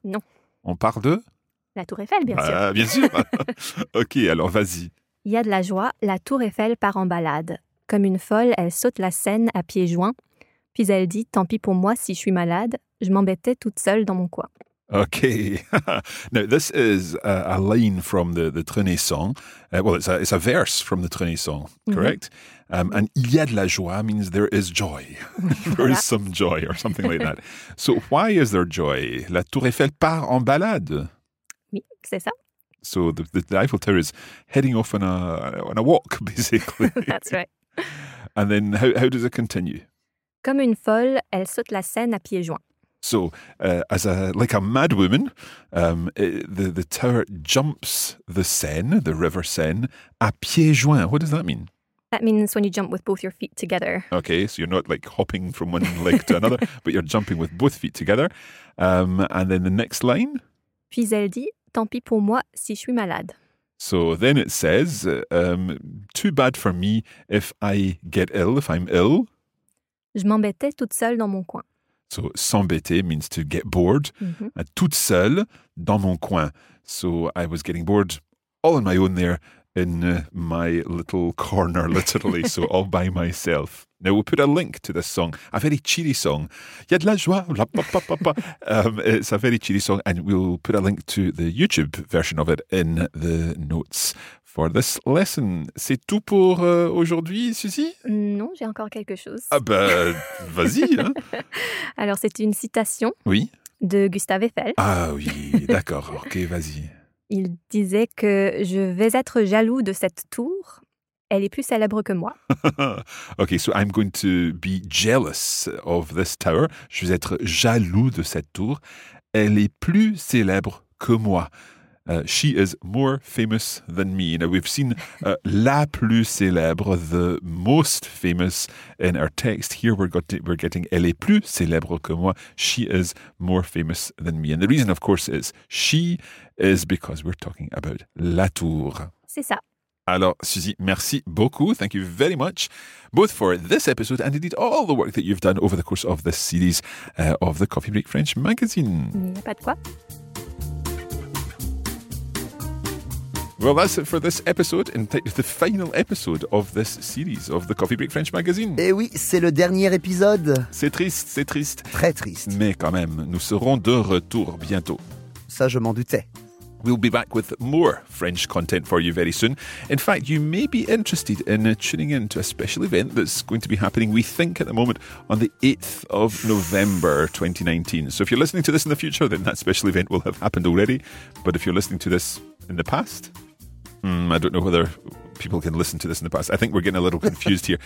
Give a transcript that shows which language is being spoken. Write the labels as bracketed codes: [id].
[fr] Non. On parle de... La Tour Eiffel, bien sûr. Bien sûr. Ok, alors vas-y. Il y a de la joie, la Tour Eiffel part en balade. Comme une folle, elle saute la Seine à pieds joints. Puis elle dit, tant pis pour moi si je suis malade, je m'embêtais toute seule dans mon coin. Ok. [en] Now, this is a line from the Trenet song. Well, it's a verse from the Trenet song, correct? Mm-hmm. And [fr] il y a de la joie [en] means there is joy. There is some joy or something like that. So why is there joy? [fr] La Tour Eiffel part en balade. Oui, c'est ça. [en] So the Eiffel Tower is heading off on a walk, basically. That's right. And then how does it continue? [fr] Comme une folle, elle saute la Seine à pieds joints. [en] So as a like a mad woman, the tower jumps the Seine, the River Seine, [fr] à pieds joints. [en] What does that mean? That means when you jump with both your feet together. Okay, so you're not like hopping from one leg to another, but you're jumping with both feet together. And then the next line. [fr] Puis elle dit, tant pis pour moi si je suis malade. [en] So then it says, too bad for me if I get ill, if I'm ill. [fr] Je m'embêtais toute seule dans mon coin. [en] So s'embêter means to get bored. Mm-hmm. [fr] Toute seule dans mon coin. [en] So I was getting bored all on my own there in my little corner, literally. So all by myself. Now, we'll put a link to this song, a very cheery song. [fr] Y a de la joie, la pa pa pa pa. [en] It's a very cheery song, and we'll put a link to the YouTube version of it in the notes for this lesson. [fr] C'est tout pour aujourd'hui, Suzy? Non, j'ai encore quelque chose. Ah ben, vas-y. Hein. Alors, c'est une citation de Gustave Eiffel. Ah oui, d'accord, ok, vas-y. Il disait que « je vais être jaloux de cette tour ». Elle est plus célèbre que moi. [en] Okay, so I'm going to be jealous of this tower. [fr] Je vais être jaloux de cette tour. Elle est plus célèbre que moi. [en] She is more famous than me. Now, we've seen [fr] la plus célèbre, [en] the most famous in our text. Here we're getting [fr] elle est plus célèbre que moi. [en] She is more famous than me. And the reason, of course, is she is because we're talking about la tour. [fr] C'est ça. Alors, Suzy, merci beaucoup. [en] Thank you very much, both for this episode and indeed all the work that you've done over the course of this series of the Coffee Break French magazine. [fr] Pas de quoi. [en] Well, that's it for this episode, in the final episode of this series of the Coffee Break French magazine. [fr] Eh oui, c'est le dernier épisode. C'est triste, c'est triste. Très triste. Mais quand même, nous serons de retour bientôt. Ça, je m'en doutais. [en] We'll be back with more French content for you very soon. In fact, you may be interested in tuning in to a special event that's going to be happening, we think, at the moment on the 8th of November 2019. So if you're listening to this in the future, then that special event will have happened already. But if you're listening to this in the past, I don't know whether people can listen to this in the past. I think we're getting a little confused here.